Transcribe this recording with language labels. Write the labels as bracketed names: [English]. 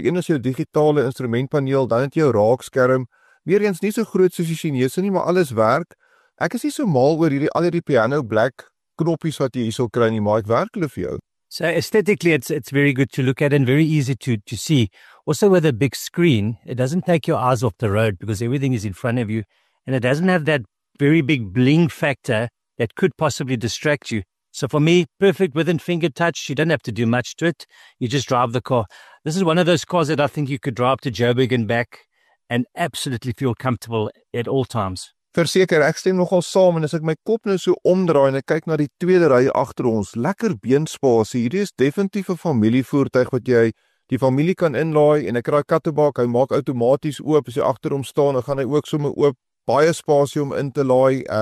[Afrikaans] Een is jou digitale instrumentpaneel, dan het jou raakskerm. Weer eens nie so groot soos die Chinese nie, maar alles werk. Ek is nie so mal oor hierdie al hierdie piano black knoppies wat jy hierso kry nie, maar ek werk hulle vir jou. [English] So aesthetically it's very good to look at and very easy to see. Also with a big screen, it doesn't take your eyes off the road because everything is in front of you and it doesn't have that very big bling factor that could possibly distract you. So for me, perfect within finger touch. You don't have to do much to it. You just drive the car. This is one of those cars that I think you could drive to Joburg and back and absolutely feel comfortable at all times. [Afrikaans] Verseker, ek stem nogal saam en as ek my kop nou so omdraai en ek kyk na die tweede rij agter ons, lekker beenspasie, hierdie is definitief 'n familievoertuig wat jy die familie kan inlaai en ek raai kattebak, hy maak outomaties oop, as jy agter hom staan, dan gaan hy ook sommer oop, baie spasie om in te laai.